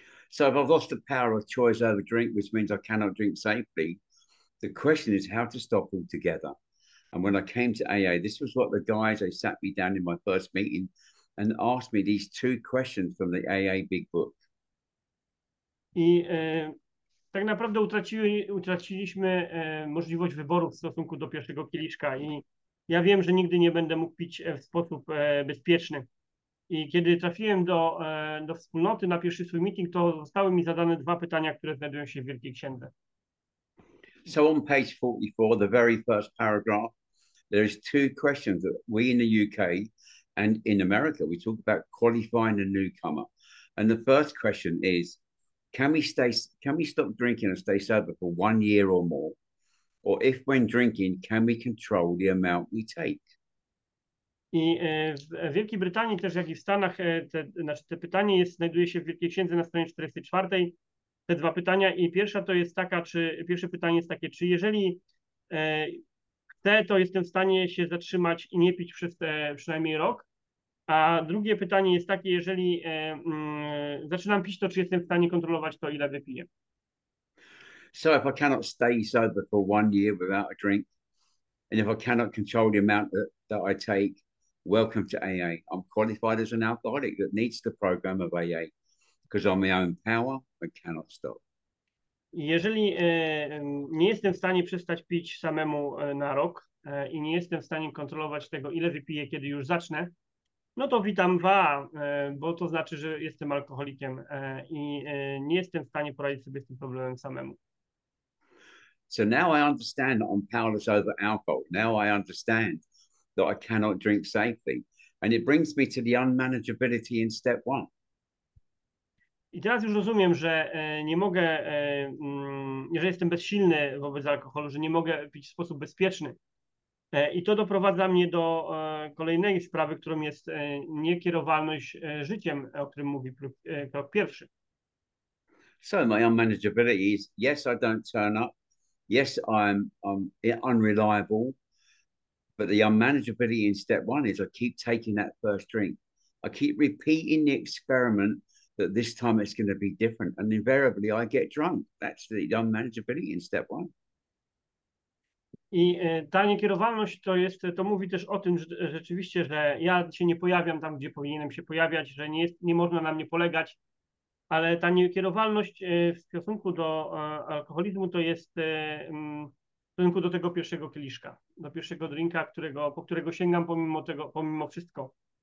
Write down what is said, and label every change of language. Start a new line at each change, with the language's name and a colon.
English: So if I've lost the power of choice over drink, which means I cannot drink safely, the question is how to stop altogether. And when I came to AA, this was what the guys, they sat me down in my first meeting and asked me these two questions from the AA big book.
Polish: I tak naprawdę utraciliśmy możliwość wyboru w stosunku do pierwszego kieliszka i ja wiem, że nigdy nie będę mógł pić w sposób bezpieczny. I kiedy trafiłem do wspólnoty na pierwszy swój meeting, to zostały mi zadane dwa pytania, które znajdują się w Wielkiej Księdze.
English: So on page 44, the very first paragraph, there is two questions that we in the UK and in America, we talk about qualifying a newcomer. And the first question is, Can we stop drinking and stay sober for 1 year or more? Or if when drinking, can we control the amount we take?
Polish: I w Wielkiej Brytanii też, jak i w Stanach, te pytanie znajduje się w Wielkiej Księdze na stronie 44. Te dwa pytania i pierwsze pytanie jest takie, czy jeżeli chcę, to jestem w stanie się zatrzymać i nie pić przez przynajmniej rok? A drugie pytanie jest takie, jeżeli zaczynam pić, to czy jestem w stanie kontrolować to, ile wypiję?
English: So if I cannot stay sober for 1 year without a drink, and if I cannot control the amount that I take, welcome to AA. I'm qualified as an alcoholic that needs the program of AA, because on my own power, I cannot stop.
Polish: Jeżeli nie jestem w stanie przestać pić samemu na rok i nie jestem w stanie kontrolować tego, ile wypiję, kiedy już zacznę, no to witam wa, bo to znaczy, że jestem alkoholikiem i nie jestem w stanie poradzić sobie z tym problemem samemu.
English: So now I understand that I'm powerless over alcohol. Now I understand that I cannot drink safely. And it brings me to the unmanageability in step one.
Polish: I teraz już rozumiem, że nie mogę, że jestem bezsilny wobec alkoholu, że nie mogę pić w sposób bezpieczny. I to doprowadza mnie do kolejnej sprawy, którą jest niekierowalność życiem, o którym mówi krok pierwszy.
English: So my unmanageability is, yes, I don't turn up. Yes, I'm unreliable. But the unmanageability in step one is I keep taking that first drink. I keep repeating the experiment that this time it's going to be different. And invariably, I get drunk. That's the unmanageability in step one.
Polish: I ta niekierowalność to mówi też o tym, że rzeczywiście, że ja się nie pojawiam tam, gdzie powinienem się pojawiać, że nie można na mnie polegać, ale ta niekierowalność w stosunku do alkoholizmu to jest w stosunku do tego pierwszego kieliszka, do pierwszego drinka, po którego sięgam pomimo wszystko.